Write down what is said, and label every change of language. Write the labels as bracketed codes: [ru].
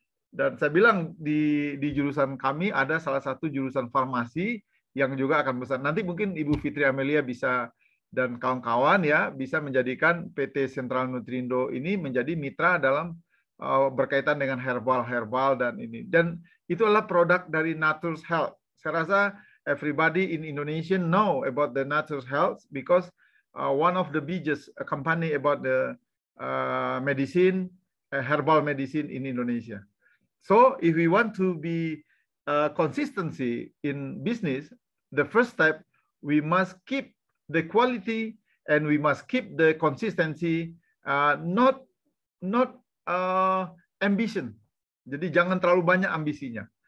[id] Dan saya bilang di jurusan kami ada salah satu jurusan farmasi yang juga akan besar. Nanti mungkin Ibu Fitri Amelia bisa dan kawan-kawan ya bisa menjadikan PT Sentral Nutrindo ini menjadi mitra dalam berkaitan dengan herbal-herbal dan ini. Dan itu adalah produk dari Nature's Health. Saya rasa [en] everybody in Indonesia know about the Nature's Health because one of the biggest company about the medicine, herbal medicine in Indonesia. So if we want to be consistency in business, the first step, we must keep the quality and we must keep the consistency, not ambition. [id] Jadi jangan terlalu banyak ambisinya.